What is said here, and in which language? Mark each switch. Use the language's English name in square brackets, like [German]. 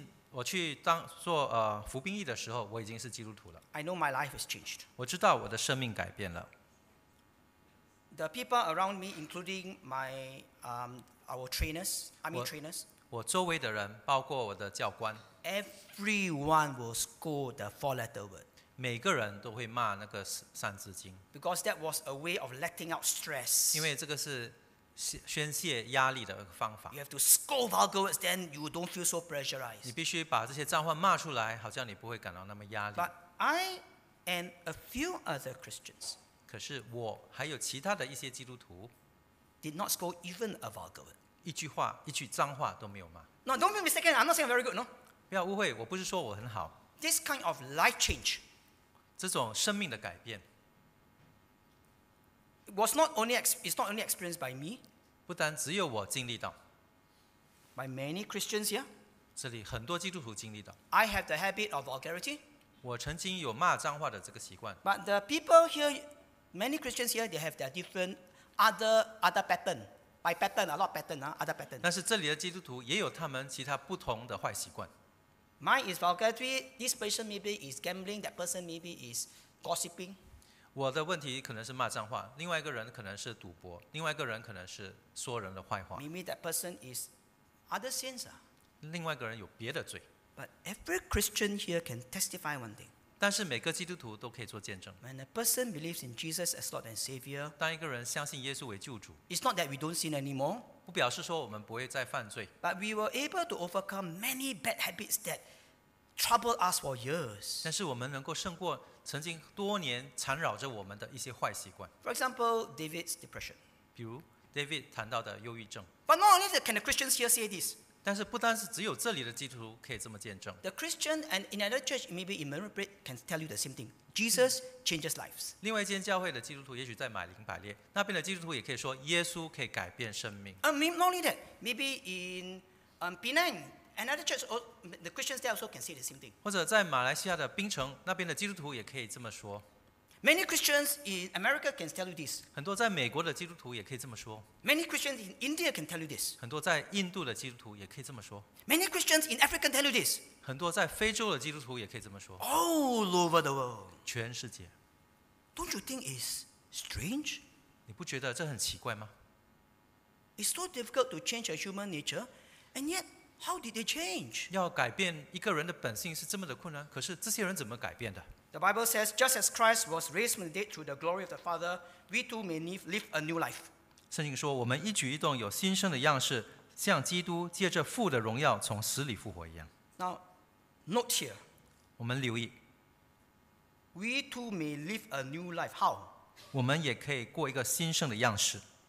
[Chinese] 我去服兵役的时候，我已经是基督徒了。 [English] I know my life has changed. [Chinese] 我知道我的生命改变了。 [English] The people around me, including my our trainers, army trainers. [Chinese] 我周围的人，包括我的教官 [English] ，Everyone will scold the four-letter word. [Chinese] 每个人都会骂那个三字经 [English] ，Because that was a way of letting out stress. [Chinese] 因为这个是宣泄压力的方法。 [English] You have to scold vulgar words, then you don't feel so pressurized. [Chinese] 你必须把这些脏话骂出来，好像你不会感到那么压力。 [English] But I and a few other Christians. [Chinese] 可是我还有其他的一些基督徒 [English] ，did not scold even a vulgar word. [Chinese] 一句话，一句脏话都没有骂。 [English] No, don't be mistaken. I'm not saying very good. No. [Chinese] 不要误会，我不是说我很好。 [English] This kind of life change. [Chinese] 这种生命的改变。 [English] It's not only experienced by me. [Chinese] 不单只有我经历到。 [English] By many Christians here. [Chinese] 这里很多基督徒经历到。 [English] I have the habit of vulgarity. [Chinese] 我曾经有骂脏话的这个习惯。 [English] But the people here, many Christians here, they have their different other pattern. By pattern, a lot of pattern, other pattern. [Chinese] 但是这里的基督徒也有他们其他不同的坏习惯。 [English] Mine is vulgarity. This person maybe is gambling. That person maybe is gossiping. [Chinese] 我的问题可能是骂脏话，另外一个人可能是赌博，另外一个人可能是说人的坏话。 [English] Maybe that person is other sins. [Chinese] 另外一个人有别的罪。 [English] But every Christian here can testify one thing. [Chinese] 但是每个基督徒都可以做见证。 [English] When a person believes in Jesus as Lord and Savior, [Chinese] 当一个人相信耶稣为救主， [English] it's not that we don't sin anymore. [Chinese] 不表示说我们不会再犯罪。 [English] But we were able to overcome many bad habits that troubled us for years. [Chinese] 但是我们能够胜过曾经多年缠绕着我们的一些坏习惯。 [English] For example, David's depression. [Chinese] 比如 David 谈到的忧郁症。 [English] But not only can the Christians here say this. [Chinese] 但是不单是只有这里的基督徒可以这么见证。 [English] The Christian and in another church, maybe in Marine Parade, can tell you the same thing. Jesus changes lives. [Chinese] 另外一间教会的基督徒，也许在马林百列那边的基督徒也可以说，耶稣可以改变生命。 [English] Maybe not only that, maybe in Penang, another church, the Christians there also can say the same thing. [Chinese] 或者在马来西亚的槟城那边的基督徒也可以这么说。 [English] Many Christians in America can tell you this. [Chinese] 很多在美国的基督徒也可以这么说。 [English] Many Christians in India can tell you this. [Chinese] 很多在印度的基督徒也可以这么说。 [English] Many Christians in Africa can tell you this. [Chinese] 很多在非洲的基督徒也可以这么说。 [English] All over the world. [Chinese] 全世界。 [English] Don't you think it's strange? [Chinese] 你不觉得这很奇怪吗？ [English] It's so difficult to change a human nature, and yet, how did they change? [Chinese] 要改变一个人的本性是这么的困难，可是这些人怎么改变的？ [English] The Bible says, just as Christ was raised from the dead through the glory of the Father, we too may live a new life. [Chinese] 圣经说，我们一举一动有新生的样式，像基督借着父的荣耀从死里复活一样。 [English] Now, note here. [Chinese] 我们留意。 [English] We too may live a new life. How? [Chinese] 我们也可以过一个新生的样式。